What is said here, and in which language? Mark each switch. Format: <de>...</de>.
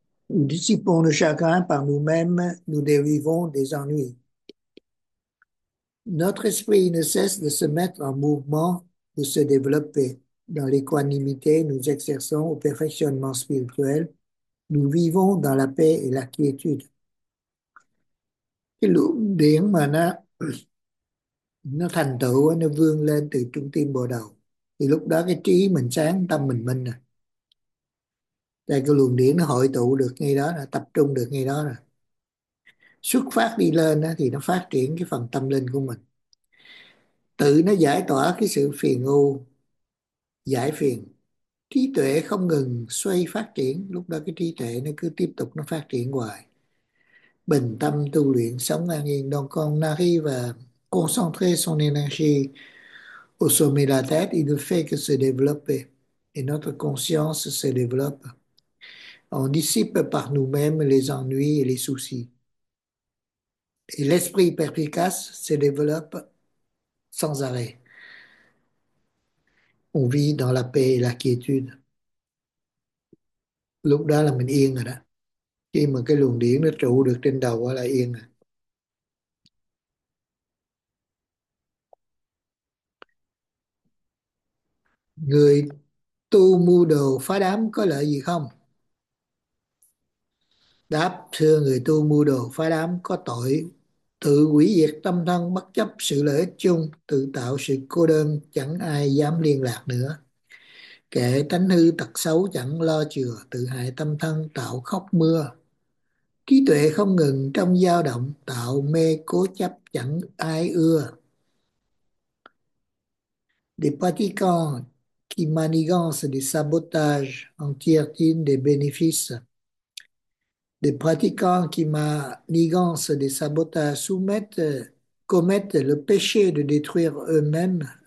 <fr>Nous dissipons le chagrin par nous-mêmes, nous dérivons des ennuis. Notre esprit ne cesse de se mettre en mouvement, de se développer. Dans l'équanimité, nous exerçons au perfectionnement spirituel. Nous vivons dans la paix et la quiétude.</fr> <vi>Cái luồng điển mà nó thành tựu, nó vươn lên từ trung tâm bộ đầu, thì lúc đó cái trí mình sáng, tâm mình minh rồi. Đây, cái luồng điển nó hội tụ được ngay đó, là tập trung được ngay đó rồi. Xuất phát đi lên thì nó phát triển cái phần tâm linh của mình, tự nó giải tỏa cái sự phiền ưu, giải phiền. Trí tuệ không ngừng xoay phát triển, lúc đó cái trí tuệ nó cứ tiếp tục nó phát triển hoài. Bình tâm tu luyện sống an yên.</vi> <fr>Donc on arrive à concentrer son énergie au sommet de la tête, il ne fait que se développer. Et notre conscience se développe. On dissipe par nous-mêmes les ennuis et les soucis. Et l'esprit perspicace se développe sans arrêt. On vit dans la paix et la quiétude.</fr> <vi>Lúc đó là mình yên rồi đó. Khi mà cái luồng điển nó trụ được trên đầu là yên rồi. Người tu mưu đồ phá đám có lợi gì không? Đáp, thưa, người tu mưu đồ phá đám có tội tự hủy diệt tâm thân, bất chấp sự lợi ích chung, tự tạo sự cô đơn, chẳng ai dám liên lạc nữa. Kẻ tánh hư tật xấu chẳng lo chừa, tự hại tâm thân tạo khóc mưa. Trí tuệ không ngừng trong dao động, tạo mê cố chấp chẳng ai ưa.</vi> <fr>Des pratiquants qui manigancent des sabotages en tire-t-il des bénéfices? Des pratiquants qui manigancent des sabotages commettent le péché de détruire eux-mêmes.</fr>